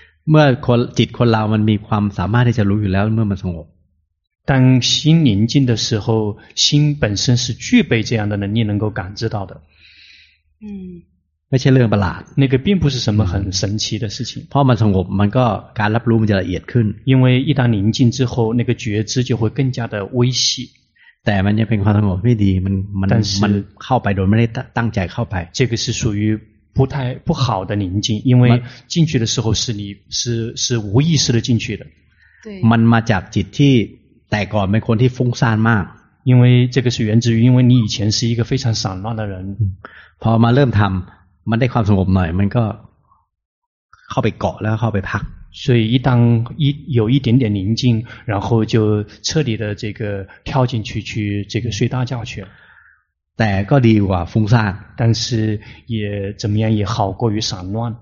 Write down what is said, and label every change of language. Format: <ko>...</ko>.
<th>เมื่อคนจิตคนเรามันมีความสามารถที่จะรู้อยู่แล้วเมื่อมันสงบ</th> <zh>当心宁静的时候心本身是具备这样的能力能够感知到的</zh> <th>ไม่ใช่เรื่องประหลาด</th> <zh>那个并不是什么很神奇的事情</zh> <th>เพราะมันสงบมันก็การรับรู้มันจะละเอียดขึ้น</th> <zh>因为一旦宁静之后那个觉知就会更加的微细</zh> <th>แต่มันจะเป็นความสงบไม่ดีมันเข้าไปโดยไม่ได้ตั้งใจเข้าไป</th> <zh>这个是属于不太不好的宁静因为进去的时候是无意识的进去的对</zh> <th>มันมาจากจิตที่แต่ก่อนเป็นคนที่ฟุ้งซ่านมาก</th> <zh>因为这个是源自于因为你以前是一个非常散乱的人</zh> <th>พอมาเริ่มทำมันได้ความสงบหน่อยมันก็เข้าไปเกาะแล้วเข้าไปพัก</th> <zh>所以一旦有一点点宁静然后就彻底的这个跳进去去这个睡大觉去</zh> <th>แต่ก็ดีกว่าฟุ้งซ่าน</th> <zh>但是也怎么样也好过于散乱</zh>